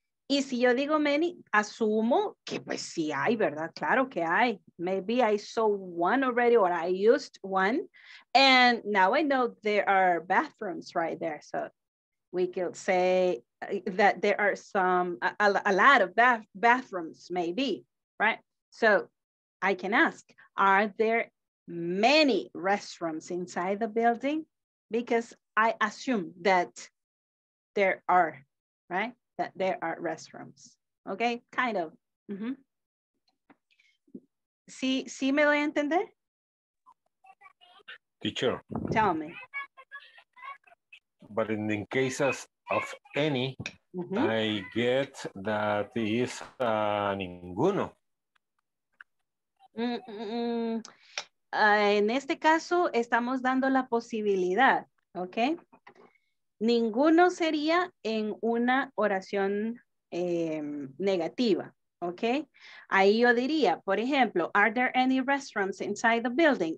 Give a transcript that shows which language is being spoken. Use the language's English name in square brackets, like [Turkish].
[Spanish] Y si yo digo many, asumo que pues sí hay, ¿verdad? Claro que hay. [English] Maybe I saw one already or I used one, and now I know there are bathrooms right there. So we could say that there are some, a lot of bathrooms maybe, right? So I can ask, are there many restrooms inside the building, because I assume that there are, right? That there are restrooms, okay? Kind of. Mm-hmm. [Spanish] ¿Sí, sí me doy a entender? [English] Teacher. Tell me. But in the cases of any, I get that is ninguno. [Spanish] En este caso, estamos dando la posibilidad, ¿ok? Ninguno sería en una oración negativa, ¿ok? Ahí yo diría, por ejemplo, [English] are there any restaurants inside the building?